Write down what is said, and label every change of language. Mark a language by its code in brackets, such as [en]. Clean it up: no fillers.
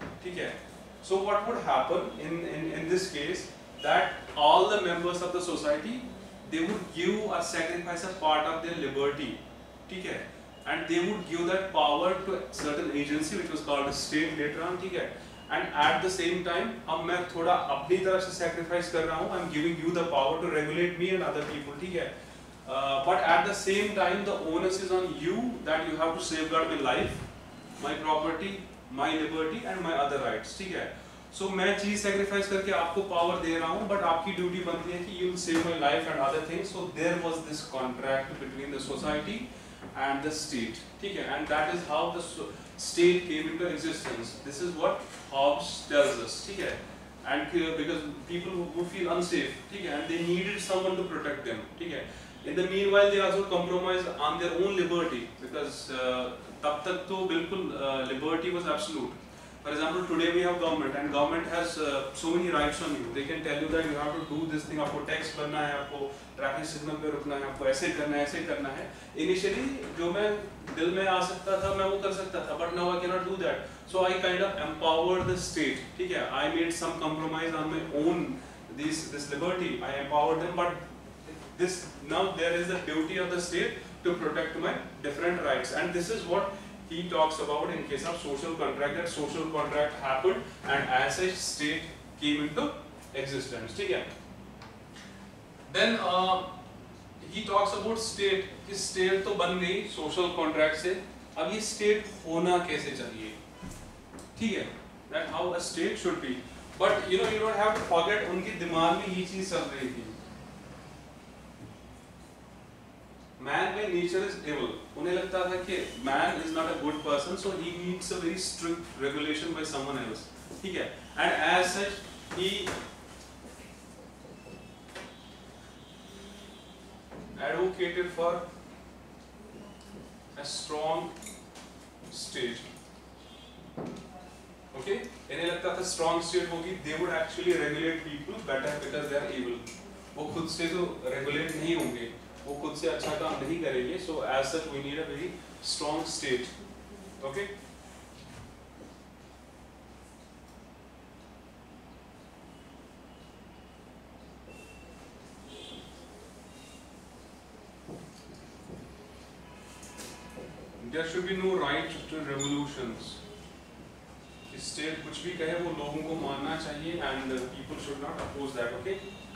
[hi] ठीक है? [en] So what would happen in this case that all the members of the society they would give or sacrifice a part of their liberty. [hi] ठीक है? [en] And they would give that power to a certain agency which was called a state later on. [hi] ठीक है? [en] And at the same time [hi] अब मैं थोड़ा अपनी तरफ से sacrifice कर रहा हूँ. [en] I'm giving you the power to regulate me and other people. [hi] ठीक है? [en] But at the same time, the onus is on you that you have to safeguard my life, my property, my liberty, and my other rights. [hi] ठीक है? [en] So [hi] मैं चीज sacrifice करके आपको power दे रहा हूँ, [en] but [hi] आपकी duty बनती है कि [en] you will save my life and other things. So there was this contract between the society and the state. [hi] ठीक है? [en] And that is how the state came into existence. This is what Hobbes tells us. [hi] ठीक है? [en] And because people who feel unsafe, [hi] ठीक है? [en] And they needed someone to protect them. [hi] ठीक है? [en] In the meanwhile, they also compromised on their own liberty because [hi] तब तक तो बिल्कुल [en] liberty was absolute. For example, today we have government and government has so many rights on you. They can tell you that you have to do this thing. [hi] आपको tax भरना है, आपको traffic signal पे रुकना है, आपको ऐसे करना है, ऐसे करना है. Initially, जो मैं दिल में आ सकता था, मैं वो कर सकता था. [en] But now I cannot do that. So I kind of empowered the state. [hi] ठीक है? [en] I made some compromise on my own this liberty. I empowered them, but this now there is the duty of the state to protect my different rights, and this is what he talks about in case of social contract. That social contract happened, and as such, state came into existence. ठीक है? Then he talks about state. [hi] कि state तो बन गई social contract से. अब ये state होना कैसे चाहिए? ठीक है? [en] That how a state should be. But you know you don't have to forget [hi] उनके दिमाग में ये चीज चल रही थी. [en] Man by nature is evil. [hi] उन्हें लगता था कि [en] man is not a good person, so he needs a very strict regulation by someone else. [hi] ठीक है? [en] And as such, he advocated for a strong state. Okay? [hi] इन्हें लगता था strong state होगी, [en] they would actually regulate people better because they are evil. [hi] वो खुद से तो regulate नहीं होंगे. वो खुद से अच्छा काम नहीं करेंगे, [en] so as such we need a very strong state, okay? There should be no right to revolutions. [hi] State कुछ भी कहे वो लोगों को मानना चाहिए [en] And people should not oppose that. Okay